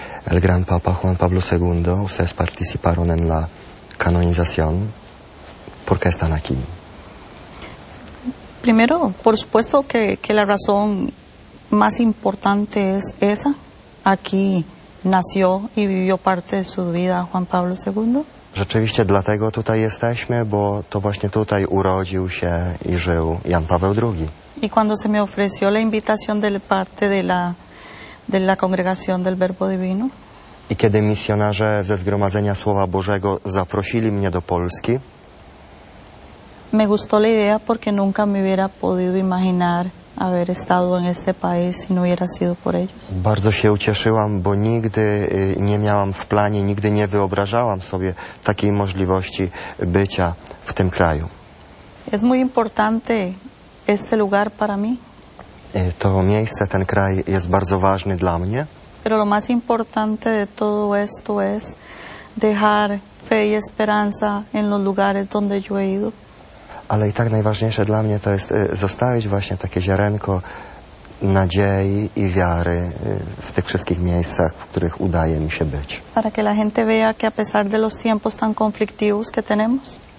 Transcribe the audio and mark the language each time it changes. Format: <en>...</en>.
<es>El gran papa Juan Pablo II, ustedes participaron en la canonización. ¿Por qué están aquí? Primero, por supuesto que la razón más importante es esa. Aquí nació y vivió parte de su vida Juan Pablo II.</es> <pl>Rzeczywiście dlatego tutaj jesteśmy, bo to właśnie tutaj urodził się i żył Jan Paweł II.</pl> <es>Y cuando se me ofreció la invitación de parte de la congregación del Verbo Divino.</es> <pl>I kiedy misjonarze ze Zgromadzenia Słowa Bożego zaprosili mnie do Polski.</pl> <es>Me gustó la idea porque nunca me hubiera podido imaginar haber estado en este país si no hubiera sido por ellos.</es> <pl>Bardzo się ucieszyłam, bo nigdy nie miałam w planie, nigdy nie wyobrażałam sobie takiej możliwości bycia w tym kraju.</pl> <es>Es muy importante este lugar para mí.</es> <pl>To miejsce, ten kraj jest bardzo ważny dla mnie.</pl> <es>Pero lo más importante de todo esto es dejar fe y esperanza en los lugares donde yo he ido.</es> <pl>Ale i tak najważniejsze dla mnie to jest zostawić właśnie takie ziarenko nadziei i wiary w tych wszystkich miejscach, w których udaje mi się być.</pl> <es>Para que la gente vea que a pesar de los tiempos tan conflictivos que tenemos.</es>